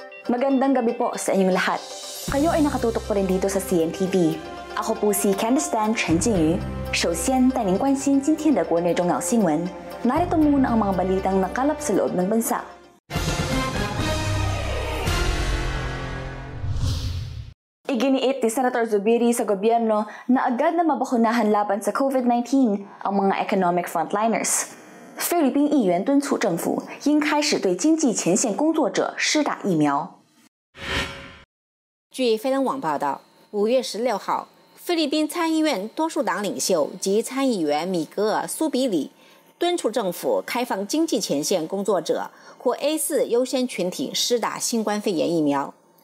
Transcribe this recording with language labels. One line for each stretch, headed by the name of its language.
Filipino: Magandang gabi po sa inyong lahat. Kayo ay nakatutok po rin dito sa CNTV. Ako po si Candice Tan, Chen Jingyu.
Chinese: 首先带您关心今天的国内重要新闻。
Filipino: Narito muna ang mga balitang nakalap sa loob ng bansa. Iginiit ni Senator Zubiri sa gobyerno na agad na mabakunahan laban sa COVID-19 ang mga economic frontliners.
Chinese: 菲律宾议员敦促政府应开始对经济前线工作者施打疫苗。据飞龙网报道，五月十六号，菲律宾参议院多数党领袖及参议员米格尔·苏比里敦促政府开放经济前线工作者或 A4 优先群体施打新冠肺炎疫苗。